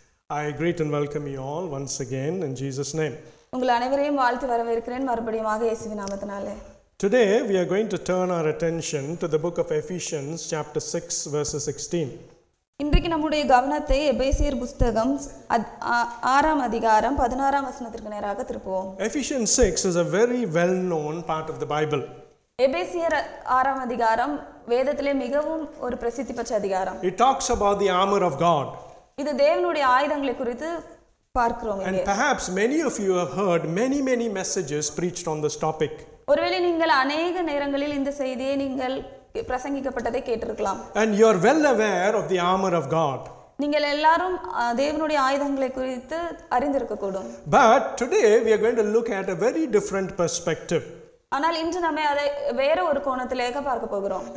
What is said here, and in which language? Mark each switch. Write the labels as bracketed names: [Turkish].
[English] I greet and welcome you all once again in Jesus' name. [Tamil] உங்கள் அனைவரையும் வாழ்த்து வரவேற்கிறேன் மறுபடியும் இயேசுவின் நாமத்தினாலே. [English] Today we are going to turn our attention to the book of Ephesians chapter 6 verses 16. [Tamil] இன்றைக்கு நம்முடைய கவனத்தை எபேசியர் புத்தகம் 6 அதிகாரம் 16 வசனத்திற்கு நேராக திருப்புவோம். [English] Ephesians 6 is a very well known part of the Bible. [Tamil] எபேசியர் 6 அதிகாரம் வேதத்திலே மிகவும் ஒரு பிரசித்தி பெற்ற அதிகாரம். [English] It talks about the armor of God. [Tamil] இது தேவனுடைய ஆயுதங்களை குறித்து பார்க்கிறோம். [English] And perhaps many of you have heard many messages preached on this topic. [Tamil] ஒருவேளை நீங்கள் அநேக நேரங்களில் இந்த செய்தியை நீங்கள் பிரசங்கிக்கப்பட்டதை கேட்டிருக்கலாம். [English] And you are well aware of the armor of God. [Tamil] நீங்கள் எல்லாரும் தேவனுடைய ஆயுதங்களை குறித்து அறிந்திருக்கக்கூடும். [English] But today we are going to look at a very different perspective. [Tamil] ஆனால் இன்று நாம் அதை வேற ஒரு கோணத்திலேக பார்க்க போகிறோம்.